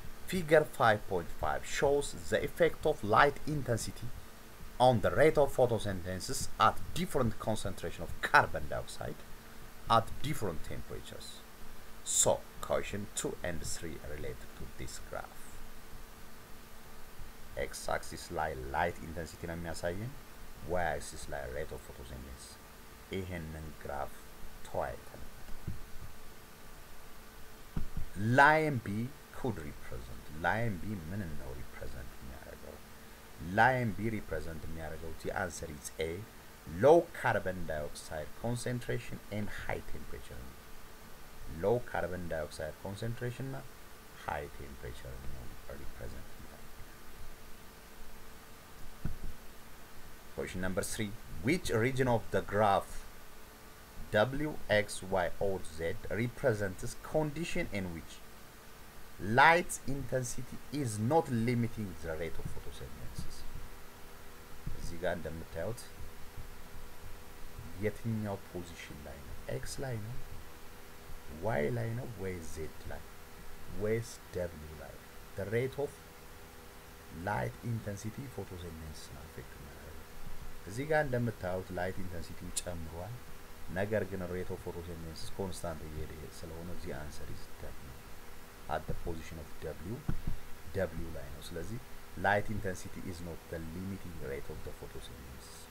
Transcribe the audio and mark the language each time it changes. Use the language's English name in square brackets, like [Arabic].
[English] figure 5.5 shows the effect of light intensity on the rate of photosynthesis at different concentration of carbon dioxide at different temperatures. So question 2 and 3 related to this graph. X-axis ላይ light intensity [Amharic] ነው የሚያሳየን, [English] y-axis ላይ rate of photosynthesis. [Amharic] ይህንን ግራፍ ተዋይተን ላይን ቢ [English] could represent. [Amharic] ላይን ቢ ምን ነው ሪፕሬዘንት የሚያደርገው? ላይን ቢ ሪፕሬዘንት የሚያደርገው [English] the answer is A, low carbon dioxide concentration and high temperature. low carbon dioxide concentration እና high temperature ነው ሪፕሬዘንት. Question number 3, which region of the graph W, X, Y, O, Z represents condition in which light intensity is not limiting the rate of photosynthesis? [Amharic] እዚህ ጋር እንደምታዩት የትኛው ፖዚሽን ላይ ነው? X ላይ ነው? Y ላይ ነው? ወይ Z ላይ? ወይስ W ላይ? [English] The rate of light intensity photosynthesis ነው አፌክት ነው። [Amharic] እዚህ ጋር እንደምታዩት [English] ላይት ኢንተንሲቲው ጨምሯል, [Amharic] ነገር ግን [English] ሬት ኦፍ ፎቶሲንተሲስ ኮንስታንት [Amharic] እየሄደ ስለሆነ [English] ዚ አንሰር ኢዝ ዳት ነው አት ዘ ፖዚሽን ኦፍ W W ላይ ነው። [Amharic] ስለዚህ [English] ላይት ኢንተንሲቲ ኢዝ ኖት ዘ ሊሚቲንግ ሬት ኦፍ ዘ ፎቶሲንተሲስ.